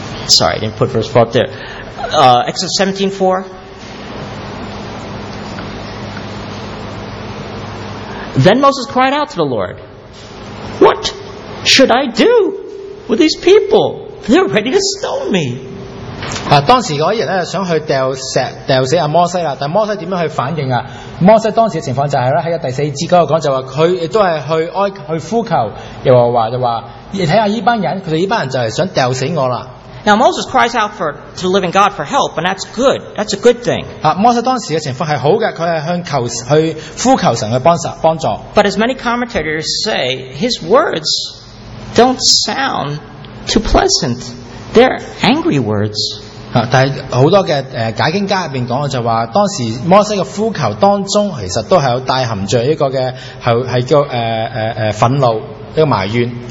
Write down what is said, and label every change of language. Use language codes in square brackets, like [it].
[en] Sorry, I didn't put verse 4 up there. Exodus 17:4. Then Moses cried out to the Lord, What should I do with these people? They're ready to stone me. [zh] 当时那些人想去吊死摩西，但摩西怎样去反应？摩西当时的情况就是在第四节那里说，他也是 去呼求耶和华，就说你看看这帮人，他们这帮人就是想吊死我了。 [en] Now Moses cries out to the living God for help, and that's good. That's a good thing. [zh] 摩西当时的情况是好的，他是去呼求神的帮助。 [en] But as many commentators say, his words don't sound too pleasant. They're angry words. [zh] 但是很多的解经家里面讲的就是说，当时摩西的呼求当中其实都是有带含着一个的，是叫愤怒，一个埋怨。